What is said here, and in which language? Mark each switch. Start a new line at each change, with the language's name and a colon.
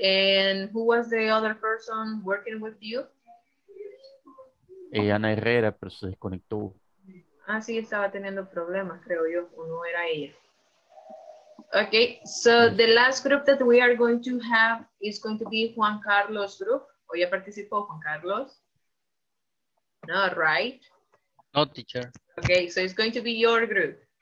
English: And who was the other person working with you?
Spanish: Ana Herrera, pero se desconectó. Ah, sí, estaba teniendo problemas, creo yo, o no era ella.
English: Okay, so the last group that we are going to have is going to be Juan Carlos group.
Spanish: ¿O ya participó Juan Carlos?
English: No, right?
Spanish: No, teacher.
English: Okay, so it's going to be your group.